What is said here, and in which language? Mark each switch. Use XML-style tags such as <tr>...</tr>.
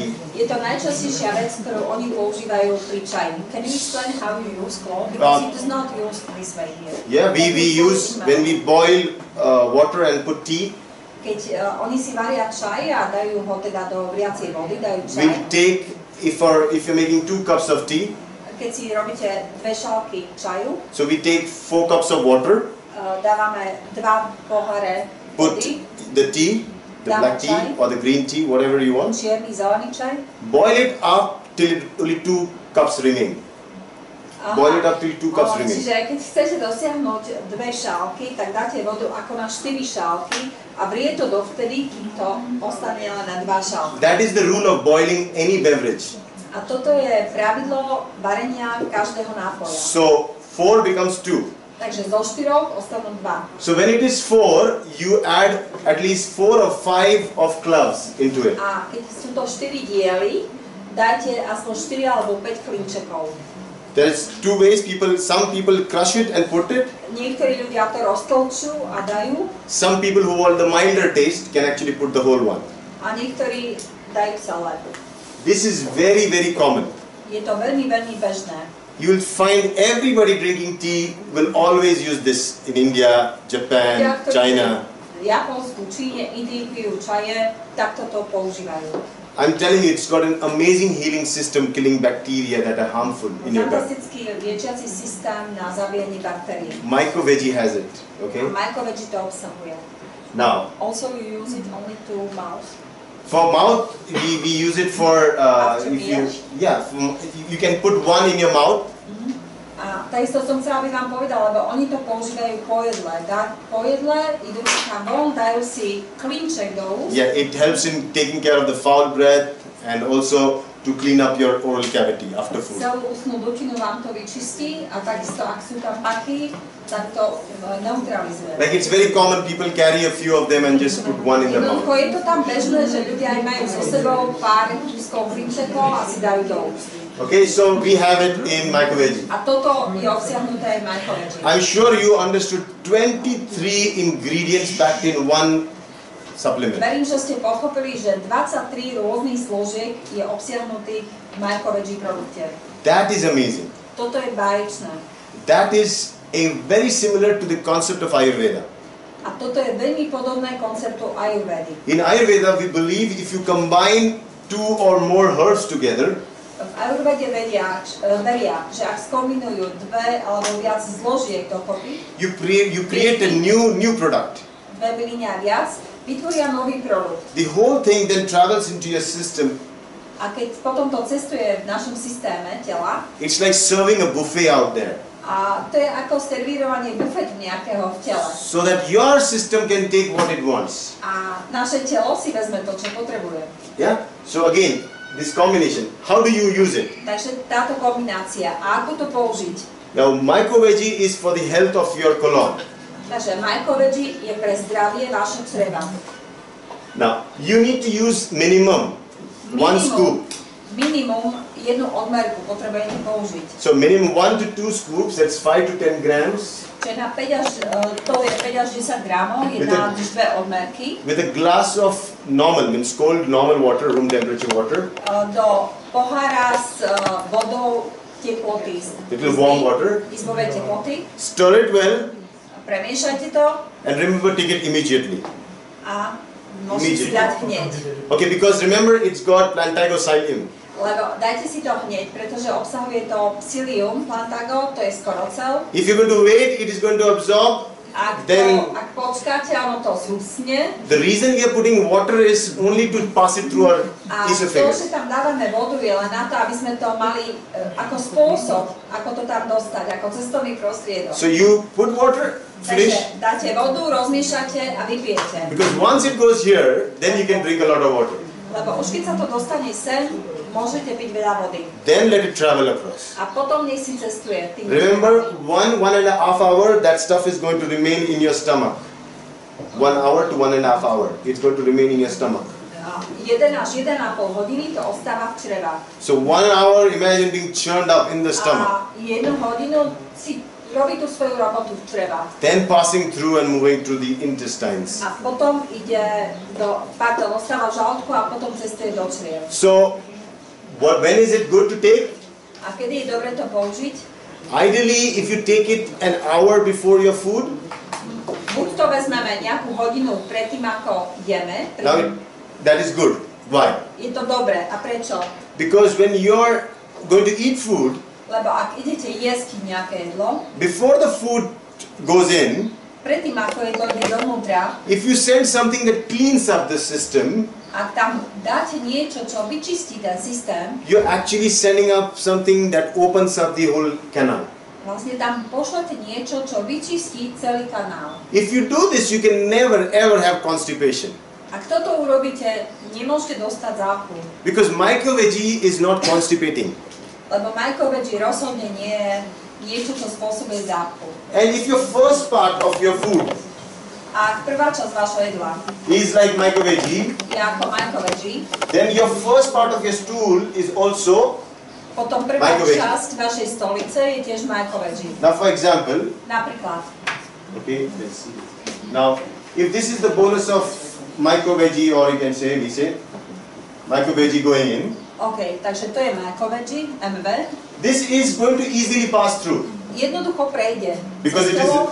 <sk>Je to najčastejšia vec, ktorú oni používajú pri čaji.</sk> <en>Can you explain how you use clove? Because it is not used this way here. Yeah, we use when we boil water and put tea.</en> <sk>Keď oni si varia čaj a dajú ho teda do vriacej vody, dajú čaj.</sk> <en>We take, if you're making 2 cups of tea.</en> <sk>Keď si robíte 2 šálky čaju.</sk> <en>So we take 4 cups of water.</en> <sk>Dávame 2 poháre vody.</sk> <en>Put the tea. The black tea or the green tea, whatever you want.</en> <sk>Čierny, zelený čaj.</sk> <en>Boil it up till only 2 cups remain.</en> <sk>Čiže keď chcete dosiahnuť 2 šálky, tak dáte vodu ako na 4 šálky a vrie to dovtedy, kým to ostane len na 2 šálky.</sk> <en>That is the rule of boiling any beverage.</en> <sk>A toto je pravidlo varenia každého nápoja.</sk> <en>So 4 becomes 2.</en> <sk>Takže zo 4 ostanú 2.</sk> <en>So when it is 4, you add at least 4 or 5 of cloves into it.</en> <sk>A keď sú to 4 diely, dajte aspoň 4 alebo 5 klinčekov.</sk> <en>There's 2 ways people, some people crush it and put it.</en> <sk>Niektorí ľudia to roztlčú a dajú.</sk> <en>Some people who want the milder taste can actually put the whole one.</en> <sk>A niektorí dajú celé.</sk> <en>This is very, very common.</en> <sk>Je to veľmi, veľmi bežné.</sk> <en>You'll find everybody drinking tea will always use this in India, Japan, China.</en> <sk>Japonsku, Číne, Indii pijú čaje, takto to používajú.</sk> <en>I'm telling you, it's got an amazing healing system killing bacteria that are harmful in your gut.</en> <sk>Fantastický liečiaci systém na zabíjanie baktérií.</sk> <en>MycoVeggie has it, okay?</en> <sk>MycoVeggie to obsahuje.</sk> <en>Now. Also, you use it only to mouth. For mouth, we use it for you can put 1 in your mouth.</en> <sk>A takisto som chcela, aby vám povedala, lebo oni to používajú po jedle. Po jedle idú si tam von, dajú si klinček do úst.</sk> <en>Yeah, it helps in taking care of the foul breath and also to clean up your oral cavity after food.</en> <sk>Celú ústnu dutinu vám to vyčistí a takisto ak sú tam pachy, tak to neutralizuje.</sk> <en>Like it's very common people carry a few of them and just put one in their mouth.</en> <sk>Je to tam bežné, že ľudia aj majú so sebou pár kúskov hrinčekov a si dajú do úst.</sk> <en>Okay, so we have it in MycoVeggie.</en> <sk>A toto je obsiahnuté aj MycoVeggie.</sk> <en>I'm sure you understood 23 ingredients packed in one supplement.</en> <sk>Verím, že ste pochopili, že 23 rôznych zložiek je obsiahnutých v MycoVeggie produkte.</sk> <en>That is amazing.</en> <sk>Toto je báječné.</sk> <en>That is a very similar to the concept of Ayurveda.</en> <sk>A toto je veľmi podobné konceptu Ayurvedy.</sk> <en>In Ayurveda we believe if you combine two or more herbs together,</en> <sk>v Ayurvede veria, že ak skombinujú dve alebo viac zložiek dokopy,</sk> <en>you create a new product.</en> <sk>Dve bylinia viac, vytvoria nový produkt.</sk> <en>The whole thing then travels into your system.</en> <sk>A keď potom to cestuje v našom systéme tela,</sk> <en>it's like serving a buffet out there.</en> <sk>A to je ako servírovanie bufetu nejakého v tele.</sk> <en>So that your system can take what it wants.</en> <sk>A naše telo si vezme to, čo potrebuje.</sk> <en>Yeah? So again, this combination, how do you use it?</en> <sk>Takže táto kombinácia, ako to použiť?</sk> <en>Now, MycoVeggie is for the health of your colon.</en> <sk>Takže MycoVeggie je pre zdravie vašho creva.</sk> <en>Now, you need to use minimum one scoop.</en> <sk>Minimum jednu odmerku potrebujete použiť.</sk> <en>So minimum 1 to 2 scoops, that's 5 to 10 grams.</en> <sk>Čiže na 5 až, to je 5 až 10 gramov, jedna až dve odmerky.</sk> <en>With a glass of normal, means cold normal water, room temperature water.</en> <sk>Do pohára s vodou teploty.</sk> <en>Little warm water.</en> <sk>Izbové teploty.</sk> <en>Stir it well.</en> <sk>Premiešajte to.</sk> <en>And remember take it immediately.</en> <sk>A môžete si dať hneď.</sk> <en>Okay, because remember it's got plantagocylium.</en> <sk>Lebo dajte si to hneď, pretože obsahuje to psyllium, plantago, to je skorocel.</sk> <en>If you're going to wait, it is going to absorb.</en> <sk>Ak počkáte, ono to zhusne.</sk> <en>The reason we are putting water is only to pass it through our esophagus.</en> <sk>A to, že tam dávame vodu, je len na to, aby sme to mali ako spôsob, ako to tam dostať, ako cestovný prostriedok.</sk> <en>So you put water, finish.</en> <sk>Takže dáte vodu, rozmiešate a vypijete.</sk> <en>Because once it goes here, then you can drink a lot of water.</en> <sk>Lebo už keď sa to dostane sem, môžete piť veľa vody.</sk> <en>Then let it travel across.</en> <sk>A potom nech si cestuje.</sk> <en>Remember, one and a half hour, that stuff is going to remain in your stomach. 1 hour to 1.5 hour, it's going to remain in your stomach.</en> <sk>1 až 1.5 hodiny to ostáva v črevách.</sk> <en>So 1 hour, imagine being churned up in the stomach.</en> <sk>A 1 hodinu si robí tú svoju robotu v črevách.</sk> <en>Then passing through and moving through the intestines.</en> <sk>A potom ide do, pardon, ostáva v žalúdku a potom cestuje do čriev.</sk> <en>So, when is it good to take?</en> <sk>A kedy je dobre to použiť?</sk> <en>Ideally, if you take it an hour before your food.</en> <sk>Buď to vezmeme nejakú hodinu predtým, ako jeme.</sk> <en>Now, that is good. Why?</en> <sk>Je to dobre. A prečo?</sk> <en>Because when you're going to eat food.</en> <sk>Lebo ak idete jesť nejaké jedlo.</sk> <en>Before the food goes in.</en> <sk>Predtým, ako jedlo ide dovnútra.</sk> <en>If you send something that cleans up the system.</en> <sk>Ak tam dáte niečo, čo vyčistí ten systém,</sk> <en>you're actually sending up something that opens up the whole canal.</en> <sk>Vlastne tam pošlete niečo, čo vyčistí celý kanál.</sk> <en>If you do this, you can never ever have constipation.</en> <sk>Ak toto urobíte, nemôžete dostať záchvu.</sk> <en>Because MycoVeggie is not constipating.</en> <sk>Lebo MycoVeggie rozhodne nie je niečo, čo spôsobuje záchvu.</sk> <en>And if your first part of your food,</en> <sk>ak prvá časť vašho jedla</sk> <en>is like MycoVeggie,</en> <sk>je ako MycoVeggie,</sk> <en>then your first part of your stool is also</en> <sk>potom prvá</sk> <en>MycoVeggie.</en> <sk>Časť vašej stolice je tiež MycoVeggie.</sk> <en>Now for example,</en> <sk>napríklad,</sk> <en>okay, let's see. Now, if this is the bonus of MycoVeggie, or you can say, we say, MycoVeggie going in.</en> <sk>Okay, takže to je MycoVeggie, MV.</sk> <en>This is going to easily pass through.</en> <sk>Jednoducho prejde.</sk> <en>Because it is</en>